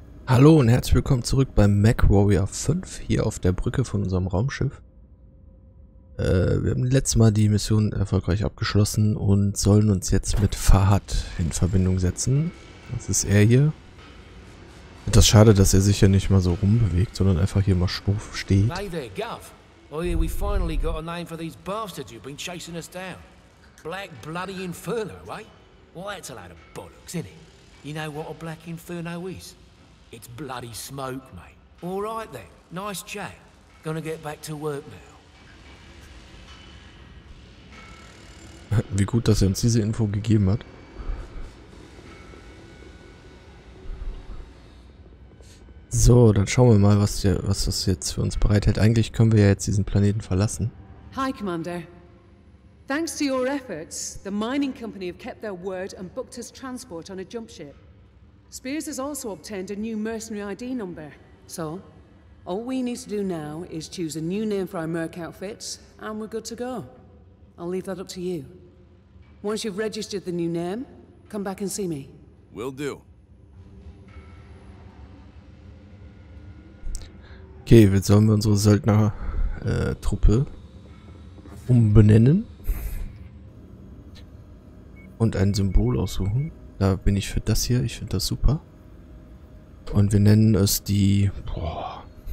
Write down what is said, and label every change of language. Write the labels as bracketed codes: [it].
[de] Hallo und herzlich willkommen zurück beim MechWarrior 5 hier auf der Brücke von unserem Raumschiff. Wir haben letztes Mal die Mission erfolgreich abgeschlossen und sollen uns jetzt mit Fahad in Verbindung setzen. Das ist er hier. Das ist schade, dass er sich ja nicht mal so rumbewegt, sondern einfach hier mal stumpf steht. [en] Hey there, Gav. Oh yeah, we finally got a name for these bastards you've been chasing us down. Black Bloody Inferno, right? Well, that's a lot of bollocks, isn't it? You know what a Black Inferno is? It's bloody smoke, mate. All right then. Nice chat. Gonna get back to work now. [de] Wie gut, dass er uns diese Info gegeben hat. So, dann schauen wir mal, was das jetzt für uns bereithält. Eigentlich können wir ja jetzt diesen Planeten verlassen. [en] Hi, Commander. Thanks to your efforts, the mining company have kept their word and booked us transport on a jump ship. Spears has also obtained a new mercenary ID number. So, all we need to do now is choose a new name for our merc outfits, and we're good to go. I'll leave that up to you. Once you've registered the new name, come back and see me. Will do. [de] Okay, jetzt sollen wir unsere Söldner-Truppe umbenennen und ein Symbol aussuchen. Da bin ich für das hier, ich finde das super. Und wir nennen es die... Boah.